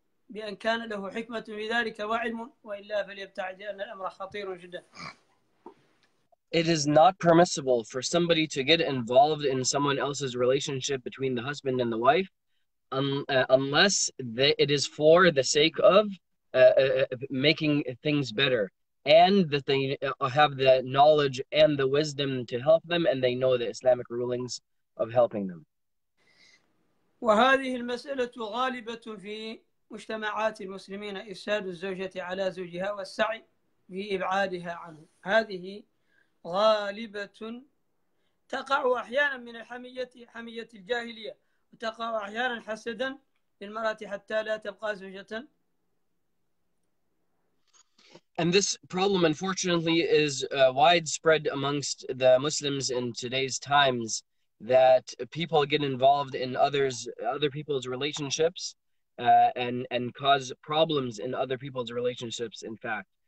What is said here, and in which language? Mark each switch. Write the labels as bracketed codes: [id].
[ar] بأن كان له حكمة في ذلك وعلم وإلا فليبتعد لأن الأمر خطير جدا. [en] It is not permissible for somebody to get involved in someone else's relationship between the husband and the wife unless it is for the sake of making things better and that they have the knowledge and the wisdom to help them and they know the Islamic rulings of helping them. [ar] وهذه المسألة غالبة في مجتمعات المسلمين إفساد الزوجة على زوجها والسعي في إبعادها عنه هذه غالبة تقع أحيانا من حمية الجاهلية وتقع أحيانا حسدا للمرأة حتى لا تبقى زوجة. [en] And this problem unfortunately is widespread amongst the Muslims in today's times that people get involved in other people's relationships and cause problems in other people's relationships, in fact.